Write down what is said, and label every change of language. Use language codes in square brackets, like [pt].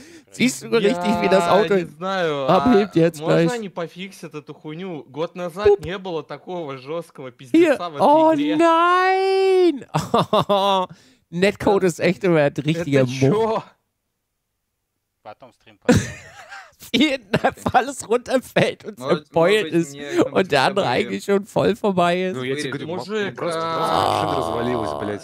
[de] Siehst du richtig, wie das Auto abhebt jetzt gleich? [ru] Можно они пофиксят эту хуйню? Год назад не было такого жесткого пиздеца в этой игре. [de] О, nein! Netcode ist echt immer ein richtiger Muff. Warte, um Stream. Jeden Fall es runterfällt und es empoilt ist und der andere eigentlich schon voll vorbei ist. [ru] Ну, я тебе говорю, мужик, просто развалилось, блядь.